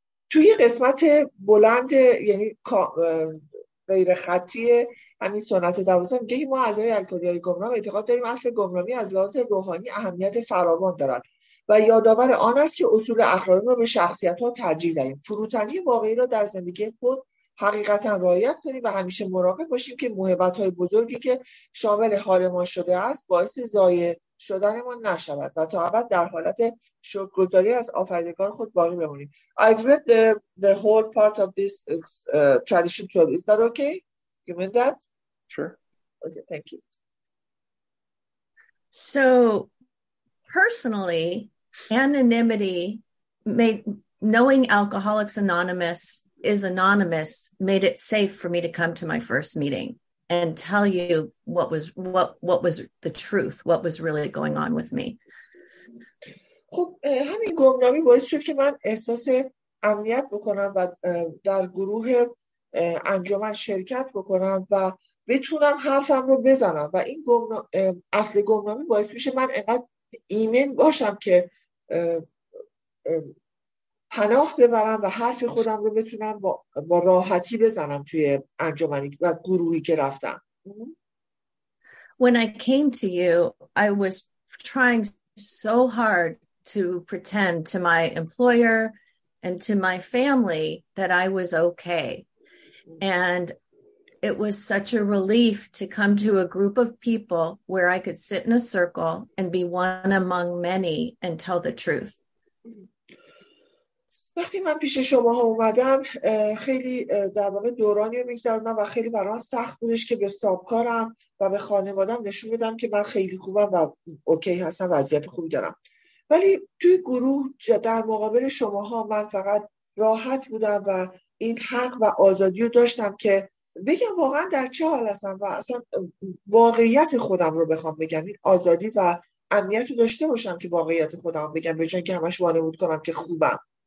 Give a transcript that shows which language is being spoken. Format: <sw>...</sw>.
<fa>توی قسمت بلند یعنی غیر خطی همین سنت دوازده میگه ما اعضای الکلی های گمنام اعتقاد داریم اصل گمنامی از لحاظ روحانی اهمیت فراوان دارد و یادآور آن است که اصول اخلاقی را به شخصیت ها ترجیح دهیم، فروتنی واقعی را در زندگی خود حقیقتا رعایت کنیم و همیشه مراقب باشیم که موهبت های بزرگی که شامل حال ما شده است باعث ضایع شدن ما نشود و تا ابد در حالت شکرگزاری از آفریدگار خود باقی بمانیم.</fa> <en>I've read the whole part of this tradition too. Is that okay? You mean that? Sure. Okay, thank you. So, personally, anonymity, knowing Alcoholics Anonymous is anonymous, made it safe for me to come to my first meeting and tell you what was the truth, what was really going on with me.</en> <fa>خب همین گمنامی باعث شد که من احساس امنیت بکنم و در گروه انجمن شرکت بکنم و بتونم حرفم رو بزنم و این اصل گمنامی باعث میشه من انقدر ایمن باشم که پناه ببرم و حرف خودم رو بتونم با راحتی بزنم توی انجمنی و گروهی که رفتم.</fa> <en>When I came to you, I was trying so hard to pretend to my employer and to my family that I was okay. And it was such a relief to come to a group of people where I could sit in a circle and be one among many and tell the truth.</en> <fa>وقتی من پیش شماها اومدم خیلی در واقع دورانی رو می‌گذروندم و خیلی برام سخت بودش که به سابکارم و به خانواده‌ام نشون بدم که من خیلی خوبم و اوکی هستم و وضعیت خوبی دارم، ولی توی گروه در مقابل شماها من فقط راحت بودم و این حق و آزادی رو داشتم که بگم واقعا در چه حال هستم و اصلا واقعیت خودم رو بخوام بگم، این آزادی و امنیت رو داشته باشم که واقعیت خودم بگم به جای اینکه همش وانمود کنم که خوبم.</fa>